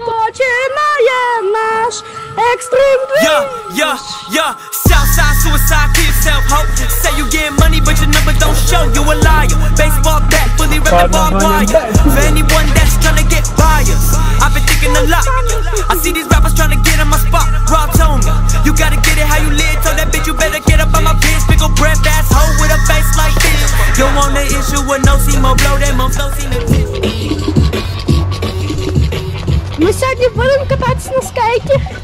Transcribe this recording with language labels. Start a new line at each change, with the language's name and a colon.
Ukrainian: Починаєм наш екстрім Двіж!
English: Я Southside suicide, kill yourself, ho. Say you get money, but your number don't show. You a liar, baseball bat, fully wrapped in barbed wire. For anyone that's tryna get fired, I've been thinking a lot. I see these rappers tryna get in my spot. Rob told me, you gotta get it how you live. Told that bitch you better get up on my piss. Pickle breath ass hoe with a face like this. You want the issue with no see more blow that mom's don't see the piss.
Ukrainian: Ми сьогодні будемо кататися на скейті.